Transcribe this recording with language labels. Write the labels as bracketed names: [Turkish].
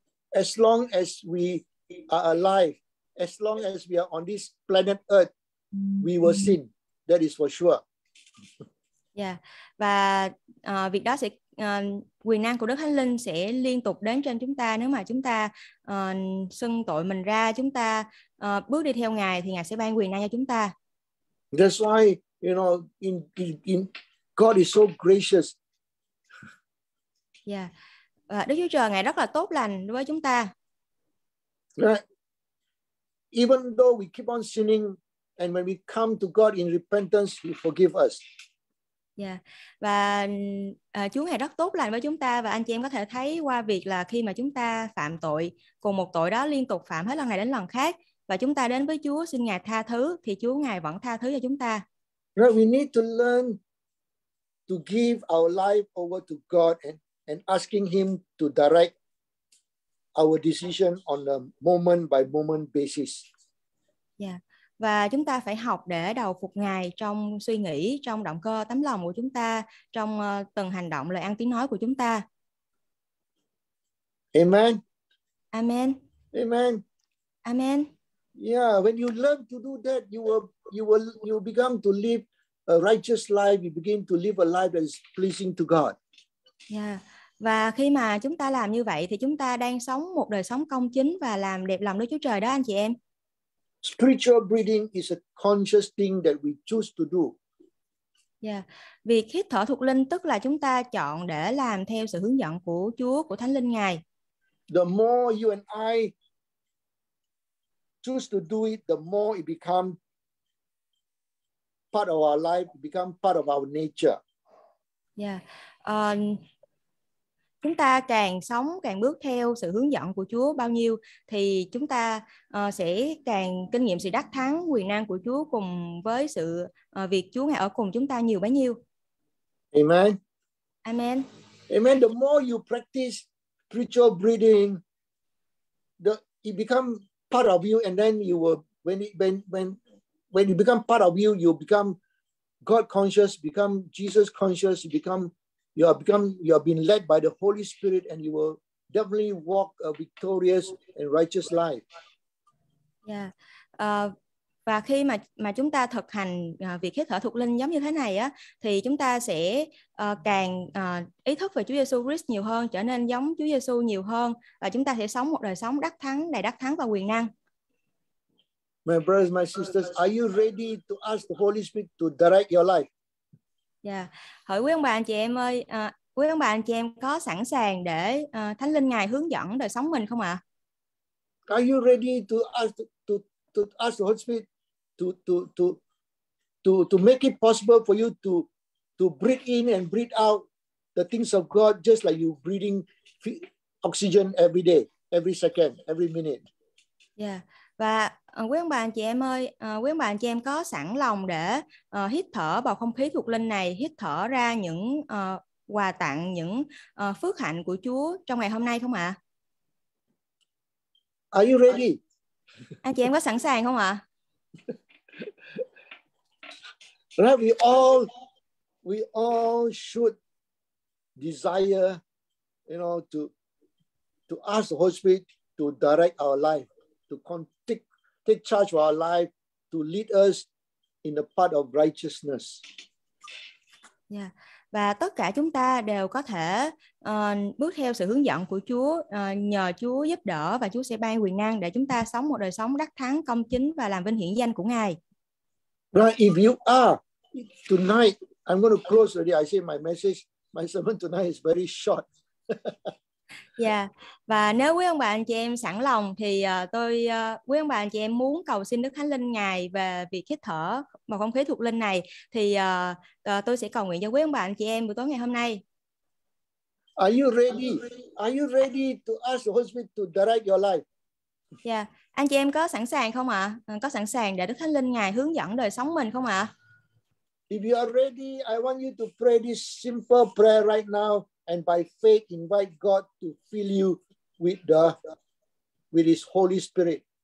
[English] As long as we are alive, as long as we are on this planet Earth, we will sin. That is for sure. Yeah. [Vietnamese] Và việc đó sẽ quyền năng của Đức Thánh Linh sẽ liên tục đến trên chúng ta. Nếu mà chúng ta xưng tội mình ra, chúng ta bước đi theo Ngài thì Ngài sẽ ban quyền năng cho chúng ta. [English] That's why, you know, in God is so gracious. Yeah. [Vietnamese] Và Đức Chúa Trời Ngài rất là tốt lành với chúng ta. [English] Right. Even though we keep on sinning and when we come to God in repentance, He forgive us. Yeah. [Vietnamese] Và Chúa Ngài rất tốt lành với chúng ta và anh chị em có thể thấy qua việc là khi mà chúng ta phạm tội cùng một tội đó liên tục phạm hết lần này đến lần khác và chúng ta đến với Chúa xin Ngài tha thứ thì Chúa Ngài vẫn tha thứ cho chúng ta. [English] Right. We need to learn to give our life over to God and asking Him to direct our decision on a moment by moment basis. Yeah. [Vietnamese] Và chúng ta phải học để đầu phục Ngài trong suy nghĩ, trong động cơ tấm lòng của chúng ta, trong từng hành động, lời ăn tiếng nói của chúng ta. [English] Amen. Amen. Amen. Amen. Yeah, when you learn to do that, you will begin to live a righteous life, you begin to live a life that is pleasing to God. Yeah. [Vietnamese] Và khi mà chúng ta làm như vậy thì chúng ta đang sống một đời sống công chính và làm đẹp lòng Đức Chúa Trời đó anh chị em. [English] Spiritual breathing is a conscious thing that we choose to do. Yeah. [Vietnamese] Việc hít thở thuộc linh tức là chúng ta chọn để làm theo sự hướng dẫn của Chúa, của Thánh Linh Ngài. [English] The more you and I choose to do it, the more it become part of our life, become part of our nature. Yeah. [Vietnamese] Chúng ta càng sống, càng bước theo sự hướng dẫn của Chúa bao nhiêu thì chúng ta sẽ càng kinh nghiệm sự đắc thắng, quyền năng của Chúa cùng với sự việc Chúa Ngài ở cùng chúng ta nhiều bấy nhiêu. [English] Amen. Amen. Amen. The more you practice spiritual breathing, it become part of you and then you will, when it become part of you, you become God conscious, become Jesus conscious, you have been led by the Holy Spirit and you will definitely walk a victorious and righteous life. Yeah. [Vietnamese] Và khi mà chúng ta thực hành việc hít thở thuộc linh giống như thế này á thì chúng ta sẽ càng ý thức về Chúa Giêsu Christ nhiều hơn, trở nên giống Chúa Giêsu nhiều hơn và chúng ta sẽ sống một đời sống đắc thắng, đầy đắc thắng và quyền năng. [English] My brothers, my sisters, are you ready to ask the Holy Spirit to direct your life? Yeah. [Vietnamese] Hỏi quý ông bà anh chị em ơi, quý ông bà anh chị em có sẵn sàng để Thánh Linh Ngài hướng dẫn đời sống mình không ạ? [English] Are you ready to ask the Holy Spirit to make it possible for you to breathe in and breathe out the things of God just like you breathing oxygen every day, every second, every minute? Yeah. [Vietnamese] Và quý ông bà anh chị em ơi, quý ông bà anh chị em có sẵn lòng để hít thở vào không khí thuộc linh này, hít thở ra những quà tặng, những phước hạnh của Chúa trong ngày hôm nay không ạ? [English] Are you ready? [Vietnamese] Anh chị em có sẵn sàng không ạ? [English] Right, we all should desire, you know, to ask the Holy Spirit to direct our life, to take charge of our life, to lead us in the path of righteousness. Yeah. [Vietnamese] Và tất cả chúng ta đều có thể bước theo sự hướng dẫn của Chúa, nhờ Chúa giúp đỡ và Chúa sẽ ban quyền năng để chúng ta sống một đời sống đắc thắng, công chính và làm vinh hiển danh của Ngài. [English] Right, if you are tonight, I'm going to close already. I say my message, my sermon tonight is very short. [Vietnamese] Và nếu quý ông bà anh chị em sẵn lòng thì tôi quý ông bà anh chị em muốn cầu xin Đức Thánh Linh ngài về việc hít thở bầu không khí thuộc linh này thì tôi sẽ cầu nguyện cho quý ông bà anh chị em buổi tối ngày hôm nay. [English] Are you ready to ask the Holy Spirit to direct your life? [Vietnamese] Yeah, anh chị em có sẵn sàng không ạ? Có sẵn sàng để Đức Thánh Linh ngài hướng dẫn đời sống mình không ạ? [English] If you are ready, I want you to pray this simple prayer right now and by faith invite God to fill you with the with his Holy Spirit.